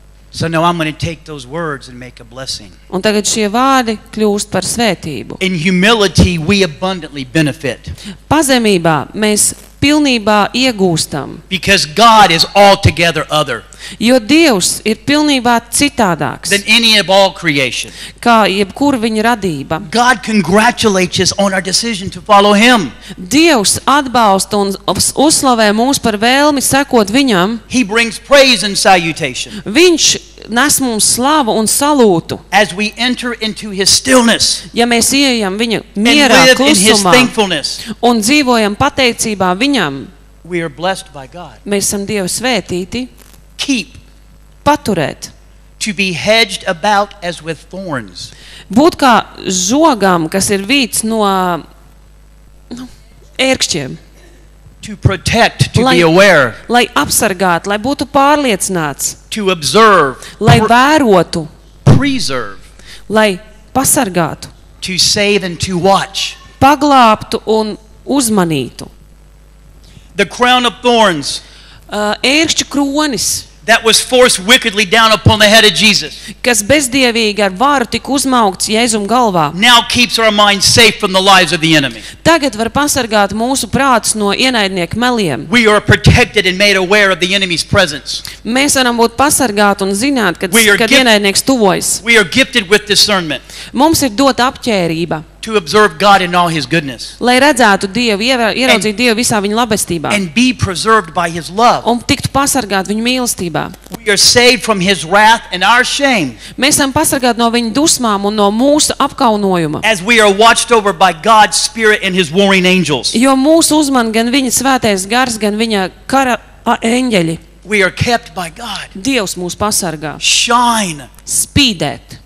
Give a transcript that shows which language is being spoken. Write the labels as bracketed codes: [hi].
[en] So now I'm going to take those words and make a blessing. [lv] Un tagad šie vārdi kļūst par svētību. [en] In humility we abundantly benefit. [lv] Pazemībā mēs pilnībā iegūstam. [en] Because God is altogether other. [lv] Jo Dievs ir pilnībā citādāks. [en] Than any of all creation. [lv] Kā jebkur viņa radība. [en] God congratulates us on our decision to follow him. [lv] Dievs atbalsta un uzslavē mūs par vēlmi sekot viņam. [en] He brings praise and salutation. [lv] Viņš nes mums slavu un salūtu. [en] As we enter into his stillness. [lv] Ja mēs ieejam viņa mierā, klusumā. Un dzīvojam pateicībā viņam. [en] We are blessed by God. [lv] Mēs esam Dieva svētīti. [en] Keep. [lv] Paturēt. [en] To be hedged about as with thorns. [lv] Būt kā zogam, kas ir vīts no ērkšķiem. [en] To protect, to lai, be aware. [lv] Lai apsargāt, lai būtu pārliecināts. [en] To observe. [lv] Lai vērotu. [en] Preserve. [lv] Lai pasargātu. [en] To save and to watch. [lv] Paglābtu un uzmanītu. [en] The crown of thorns. [lv] Ērkšķu kronis. [en] That was forced wickedly down upon the head of Jesus. [lv] Kas bezdievīgi ar varu tika uzmaukts Jēzum galvā. [en] Now keeps our minds safe from the lies of the enemy. [lv] Tagad var pasargāt mūsu prātus no ienaidnieku meliem. [en] We are protected and made aware of the enemy's presence. [lv] Mēs varam būt pasargāti un zināt, kad ienaidnieks tuvojas. [en] We are gifted with discernment. [lv] Mums ir dota apķērība. [en] To observe God in all his goodness. [lv] Lai redzētu Dievu, ieraudzītu Dievu visā viņa labestībā. [en] And be preserved by his love. [lv] Un tiktu pasargāti viņa mīlestībā. [en] We are saved from his wrath and our shame. [lv] Mēs esam pasargāti no viņa dusmām un no mūsu apkaunojuma. [en] As we are watched over by God's spirit and his warring angels. [lv] Jo mūsu uzman gan viņa svētais gars, gan viņa kara eņģeļi. [en] We are kept by God. [lv] Dievs mūs pasargā. [en] Shine. [lv] Spīdēt.